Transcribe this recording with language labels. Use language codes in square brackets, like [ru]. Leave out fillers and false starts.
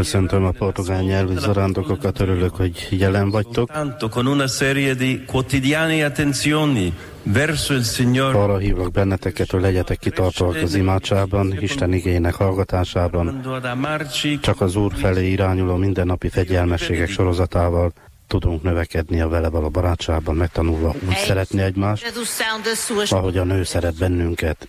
[hu] Köszöntöm a portugál nyelvű zarándokokat, örülök, hogy jelen vagytok. [it] Tanto con una serie di quotidiane attenzioni verso il Signore. [hu] Arra hívok benneteket, hogy legyetek kitartóak az imádságban, Isten igényének hallgatásában, csak az Úr felé irányuló mindennapi fegyelmességek sorozatával tudunk növekedni a vele való barátságban, megtanulva úgy szeretni egymást, ahogy a nő szeret bennünket.